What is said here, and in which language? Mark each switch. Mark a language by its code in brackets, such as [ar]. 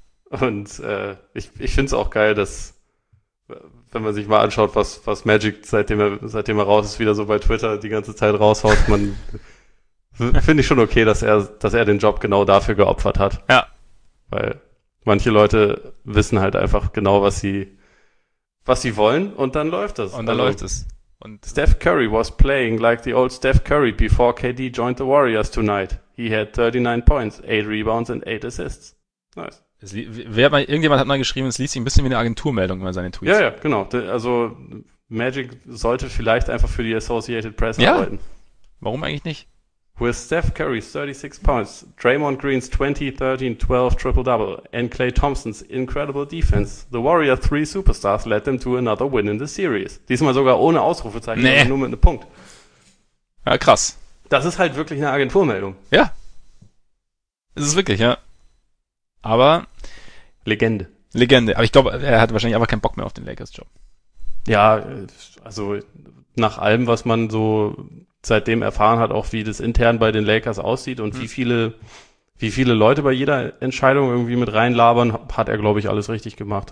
[de] Und ich finde es auch geil, dass, wenn man sich mal anschaut, was Magic, seitdem er raus ist, wieder so bei Twitter die ganze Zeit raushaut, finde ich schon okay, dass er den Job genau dafür geopfert hat. Ja. Weil manche Leute wissen halt einfach genau, was sie wollen und dann läuft es. Und dann läuft es. [en] Und Steph Curry was playing like the old Steph Curry before KD joined the Warriors tonight. He had 39 points, 8 rebounds and 8 assists. Nice. [de] Irgendjemand hat mal geschrieben, es liest sich ein bisschen wie eine Agenturmeldung über seine Tweets. Ja, ja, genau. Also Magic sollte vielleicht einfach für die Associated Press arbeiten. Warum eigentlich nicht? [en] With Steph Curry's 36 points, Draymond Green's 20-13-12 triple-double, and Klay Thompson's incredible defense, the Warrior 3 Superstars led them to another win in the series. [de] Diesmal sogar ohne Ausrufezeichen, nee, nur mit einem Punkt. Ja, krass. Das ist halt wirklich eine Agenturmeldung. Ja. Es ist wirklich, ja. Aber Legende. Aber ich glaube, er hat wahrscheinlich einfach keinen Bock mehr auf den Lakers-Job. Ja, also nach allem, was man so seitdem erfahren hat, auch wie das intern bei den Lakers aussieht und wie viele Leute bei jeder Entscheidung irgendwie mit reinlabern, hat er, glaube ich, alles richtig gemacht.